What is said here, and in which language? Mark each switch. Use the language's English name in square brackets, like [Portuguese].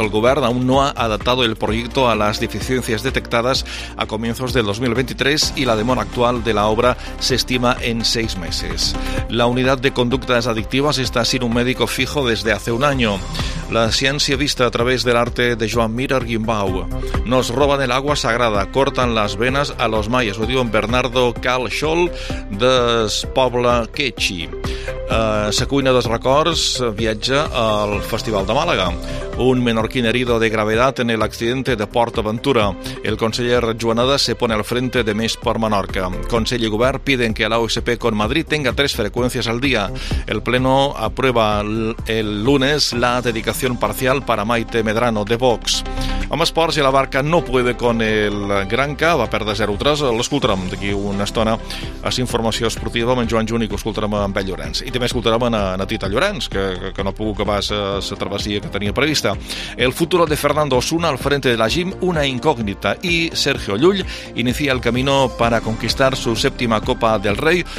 [Spanish] El gobierno aún no ha adaptado el proyecto a las deficiencias detectadas a comienzos del 2023 y la demora actual de la obra se estima en 6 meses. La unidad de conductas adictivas está sin un médico fijo desde hace un año. La ciencia vista a través del arte de Joan Mir Argimbau. Nos roban el agua sagrada, cortan las venas a los mayas. [Catalan] Ho diu en Bernardo Calxol, del poble Quechi. La cuina dels records viatja al Festival de Màlaga. [Spanish] Un menorquín herido de gravedad en el accidente de Port Aventura. El conseller Joanada se pone al frente de Més per Menorca. Consell i Govern piden que la OSP con Madrid tenga 3 frecuencias al día. El Pleno aprueba el lunes la dedicación parcial para Maite Medrano de Vox. [Catalan] Amb esports i la Barca [Spanish] no puede con el Granca, [Catalan] va perdre 0-3. L'escoltarem d'aquí una estona a la informació esportiva amb en Joan Juni, que escoltarem amb en Llorenç. I també escoltarem en Tita Llorenç, que no ha pogut acabar la travessia que tenia prevista. [Spanish] El futuro de Fernando Osuna al frente de la gym, una incógnita. I Sergio Llull inicia el camino para conquistar su 7ª Copa del Rei.